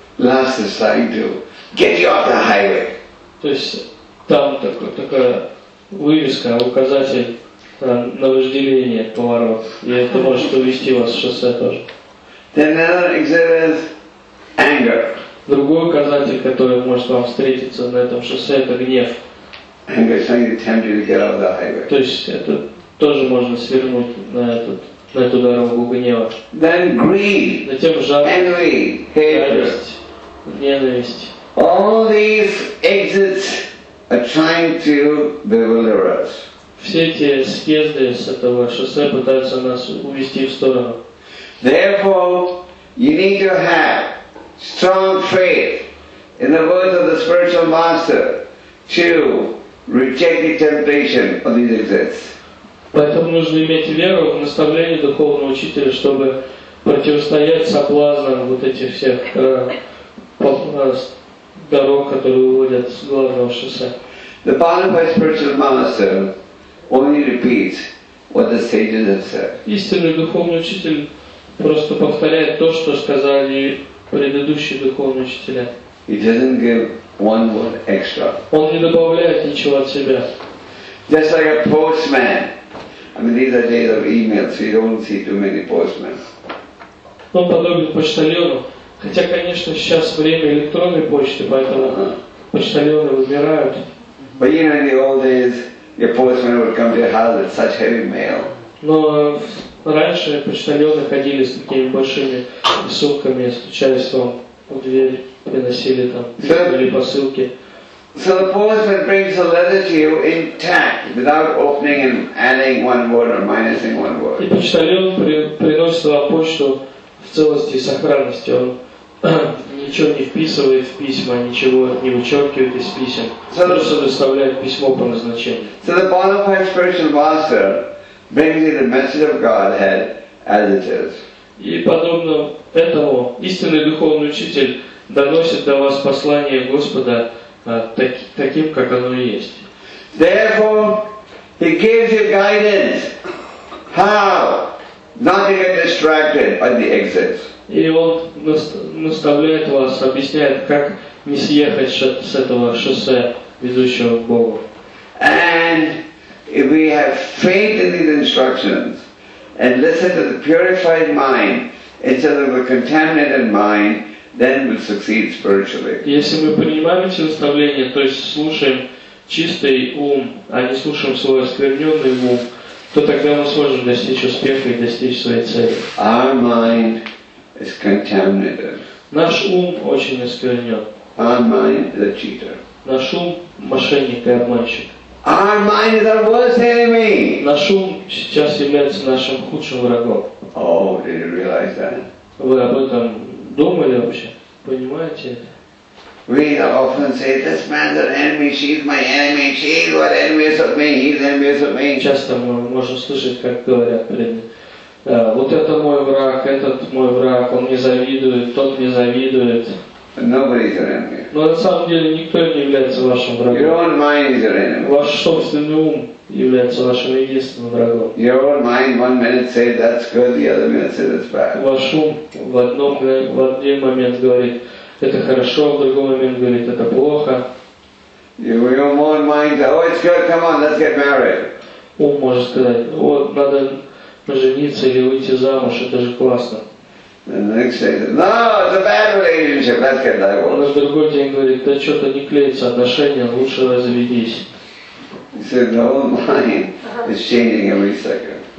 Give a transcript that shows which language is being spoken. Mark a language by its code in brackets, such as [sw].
[en] Lust is trying to get you off the highway. [ru] То есть там такая вывеска, указатель на вожделение, поворот, и это может увести вас в шоссе тоже. [en] Then another exit is anger. [ru] Другой указатель, который может вам встретиться на этом шоссе, — это гнев. [en] Anger is trying to tempt you to get off the highway. [ru] То есть это тоже можно свернуть на этот. На эту дорогу гнева. [en] Then greed, [ru] затем жар, [en] envy, [ru] ярость, ненависть. [en] All these exits are trying to bewilder us. [ru] Все эти съезды с этого шоссе пытаются нас увести в сторону. [en] Therefore, you need to have strong faith in the words of the spiritual master to reject the temptation of these exits. [ru] Поэтому нужно иметь веру в наставление духовного учителя, чтобы противостоять соблазнам вот этих всех дорог, которые выводят с главного шоссе. [en] The Bhagavad spiritual master only repeats what the sages have said. [ru] Истинный духовный учитель просто повторяет то, что сказали предыдущие духовные учителя. [en] He doesn't give one word extra. [ru] Он не добавляет ничего от себя. [en] Just like a postman. I mean, these are days of emails, so you don't see too many postmen. [ru] Он подобен почтальону, хотя, конечно, сейчас время электронной почты, поэтому почтальоны выбирают. [en] But you know, in the old days, your postman would come to your house with such heavy mail. [ru] Но раньше почтальоны ходили с такими большими сумками, стучались вам в дверь, приносили там или посылки. [en] So the postman brings a letter to you intact, without opening and adding one word or minusing one word. [ru] И почтальон приносит вам почту в целости и сохранности. Он ничего не вписывает в письма, ничего не вычеркивает из писем. Просто доставляет письмо по назначению. [en] So the bona fide spiritual master brings you the message of Godhead as it is. [ru] И подобно этому истинный духовный учитель доносит до вас послание Господа таким, как оно и есть. [en] Therefore, he gives you guidance. How? Not to get distracted by the exits. [ru] И он наставляет вас, объясняет, как не съехать с этого шоссе, ведущего к Богу. [en] And if we have faith in these instructions and listen to the purified mind instead of the contaminated mind, then we'll succeed spiritually. [ru] Если мы принимаем эти наставления, то есть слушаем чистый ум, а не слушаем свой оскверненный ум, то тогда мы сможем достичь успеха и достичь своей цели. [en] Our mind is contaminated. [ru] Наш ум очень осквернен. [en] Our mind is a cheater. [ru] Наш ум мошенник и обманщик. [en] Our mind is our worst enemy. [ru] Наш ум сейчас является нашим худшим врагом. [en] Oh, did you realize that? [ru] Вы об этом думали вообще? Понимаете? [en] We often say, this man's an enemy, she's my enemy, she's what envious of me, he's envious of me. [ru] Часто мы можем слышать, как говорят преданные. Вот это мой враг, этот мой враг, он мне завидует, тот мне завидует. [en] Nobody's your enemy. [ru] Но на самом деле никто не является вашим врагом. [en] Your own mind is your enemy. [ru] Ваш собственный ум является вашим единственным врагом. [en] Your own mind one minute says that's good, the other minute says it's bad. [ru] Ваш ум в один момент говорит, это хорошо, в другой момент говорит, это плохо. [en] Your own mind says, oh, it's good, come on, let's get married. [ru] Ум может сказать, вот, надо пожениться или выйти замуж, это же классно. [en] And the next day, no, it's a bad relationship, let's get divorced. [ru] Он на другой день говорит, да что-то не клеится отношения, лучше разведись. [en] He said, the whole mind is changing every second.